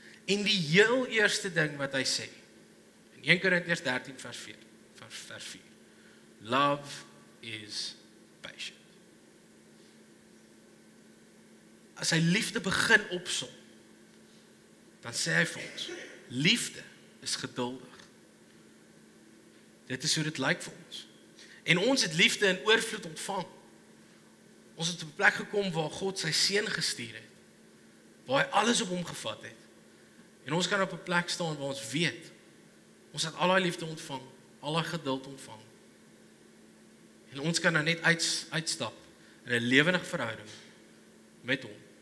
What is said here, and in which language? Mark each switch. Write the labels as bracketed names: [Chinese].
[Afrikaans] En die heel eerste ding wat hy sê, in 1 Korintiërs 13 vers 4, [English] love is patient. [Afrikaans] As hy liefde begin opsom, dan sê hy vir ons, liefde is geduldig. Dit is hoe dit lyk vir ons. En ons het liefde in oorvloed ontvang. Ons het op 'n plek gekom waar God sy seun gestuur het, waar hy alles op hom gevat het. En ons kan op 'n plek staan waar ons weet, ons het al daai liefde ontvang, al daai geduld ontvang. En ons kan nou net uitstap in 'n lewendige verhouding met hom.